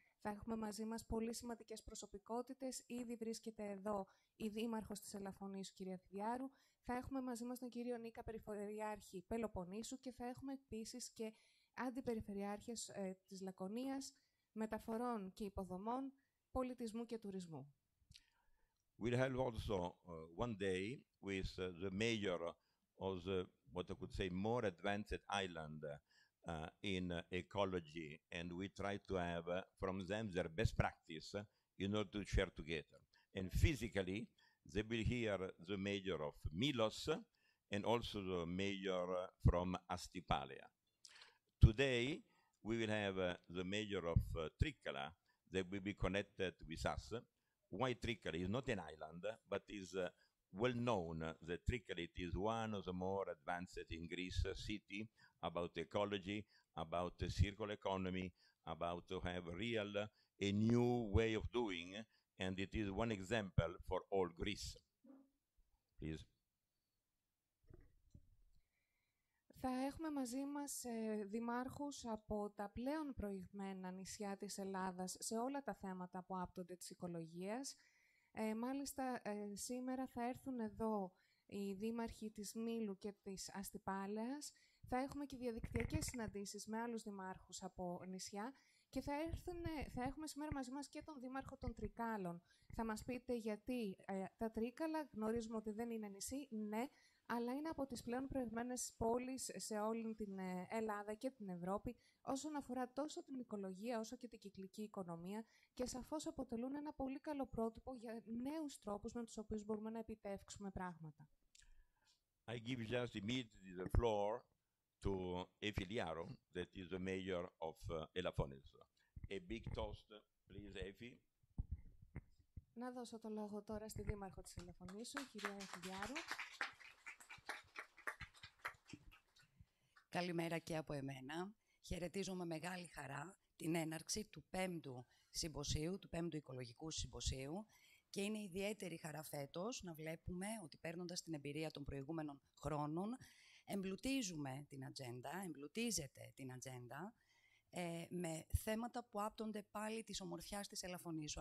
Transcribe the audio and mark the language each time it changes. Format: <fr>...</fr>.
<el>Θα έχουμε μαζί μας πολύ σημαντικές προσωπικότητες. Ήδη βρίσκεται εδώ η Δήμαρχος της Ελαφωνήσου, κυρία Θηδιάρου. Θα έχουμε μαζί μας τον κύριο Νίκα Περιφερειάρχη Πελοποννήσου και θα έχουμε επίσης και αντιπεριφερειάρχες της Λακωνίας, μεταφορών και υποδομών, πολιτισμού και τουρισμού.</el> <en>We'll have also one day with the mayor of the, what I could say, more advanced island in ecology, and we try to have from them their best practice in order to share together. And physically, they will hear the mayor of Milos and also the mayor from Astipalea. Today, we will have the mayor of Tricala that will be connected with us. Why Tricala? It's not an island, but is well known that Tricala is one of the more advanced in Greece city about ecology, about the circular economy, about to have real, a new way of doing, and it is one example for all Greece. Please.</en> <el>Θα έχουμε μαζί μας δημάρχους από τα πλέον προηγμένα νησιά της Ελλάδας σε όλα τα θέματα που άπτονται της οικολογίας. Μάλιστα, σήμερα θα έρθουν εδώ οι δήμαρχοι της Μήλου και της Αστιπάλαιας. Θα έχουμε και διαδικτυακές συναντήσεις με άλλους δημάρχους από νησιά Και θα έχουμε σήμερα μαζί μας και τον Δήμαρχο των Τρικάλων. Θα μας πείτε γιατί τα Τρίκαλα γνωρίζουμε ότι δεν είναι νησί, ναι, αλλά είναι από τις πλέον προηγμένες πόλεις σε όλη την Ελλάδα και την Ευρώπη, όσον αφορά τόσο την οικολογία όσο και την κυκλική οικονομία, και σαφώς αποτελούν ένα πολύ καλό πρότυπο για νέους τρόπους με τους οποίους μπορούμε να επιτεύξουμε πράγματα.</el> <en>I give just immediately the floor to Efiliaro, that is the mayor of Elafonisos. A big toast, please, Efi.</en> <el>Να δώσω το λόγο τώρα στη Δήμαρχο της Ελαφωνήσου, κυρία Εφηλιάρου. Καλημέρα και από εμένα. Χαιρετίζω με μεγάλη χαρά την έναρξη του 5ου συμποσίου, του 5ου Οικολογικού Συμποσίου, και είναι ιδιαίτερη χαρά φέτος να βλέπουμε ότι παίρνοντας την εμπειρία των προηγούμενων χρόνων, εμπλουτίζουμε την ατζέντα, εμπλουτίζεται την ατζέντα με θέματα που άπτονται πάλι της ομορφιάς της Ελαφωνήσου.</el>